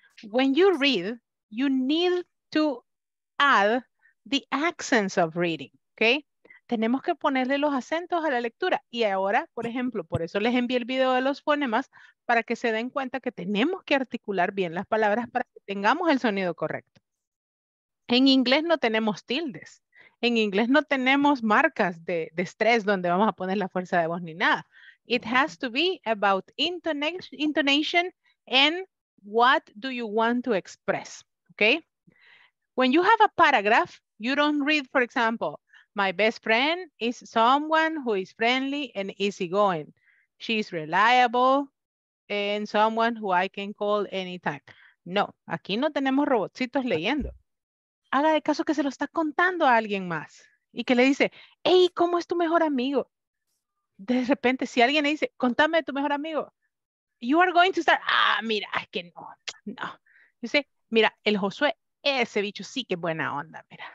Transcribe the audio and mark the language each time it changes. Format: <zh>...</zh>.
<en>When you read, you need to add the accents of reading, okay?</en> <es>Tenemos que ponerle los acentos a la lectura. Y ahora, por ejemplo, por eso les envié el video de los fonemas, para que se den cuenta que tenemos que articular bien las palabras para que tengamos el sonido correcto. En inglés no tenemos tildes. En inglés no tenemos marcas de estrés donde vamos a poner la fuerza de voz ni nada.</es> <en>It has to be about intonation and what do you want to express, okay? When you have a paragraph, you don't read, for example, my best friend is someone who is friendly and easygoing. She's reliable and someone who I can call anytime.</en> <es>No, aquí no tenemos robotcitos leyendo. Haga de caso que se lo está contando a alguien más y que le dice, hey, ¿cómo es tu mejor amigo? De repente, si alguien le dice, contame de tu mejor amigo,</es> <en>you are going to start,</en> <es>ah, mira, es que no, no. Dice, mira, el Josué, ese bicho sí que buena onda, mira.</es>